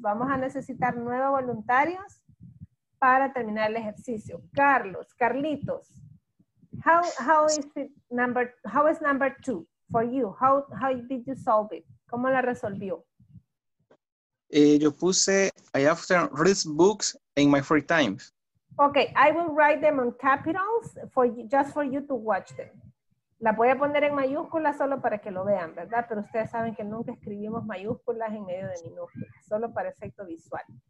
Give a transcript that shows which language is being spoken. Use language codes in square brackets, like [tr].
[es] Vamos a necesitar 9 voluntarios para terminar el ejercicio. [en] Carlos, Carlitos, how is number two for you? How did you solve it? [es] ¿Cómo la resolvió? Yo puse, [en] I often read books in my free time. Okay, I will write them on capitals for you, just for you to watch them. [es] La voy a poner en mayúsculas solo para que lo vean, ¿verdad? Pero ustedes saben que nunca escribimos mayúsculas en medio de minúsculas, solo para efecto visual.